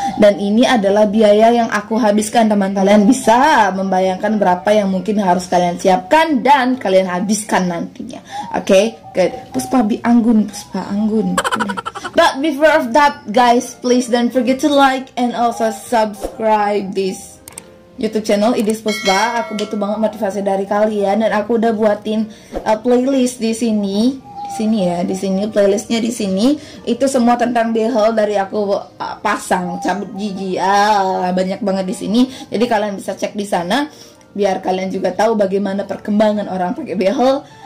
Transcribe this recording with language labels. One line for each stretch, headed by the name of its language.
Indonesian: Dan ini adalah biaya yang aku habiskan, teman. Kalian bisa membayangkan berapa yang mungkin harus kalian siapkan dan kalian habiskan nantinya. Oke,
English: okay? Good.
Indonesian: Puspa anggun, Puspa anggun.
English: But before of that, guys, please don't forget to like and also subscribe this YouTube channel, it is Puspa.
Indonesian: Aku butuh banget motivasi dari kalian, dan aku udah buatin playlist di sini. Sini ya, di sini playlistnya, di sini itu semua tentang behel dari aku pasang cabut gigi, banyak banget di sini. Jadi kalian bisa cek di sana biar kalian juga tahu bagaimana perkembangan orang pakai behel.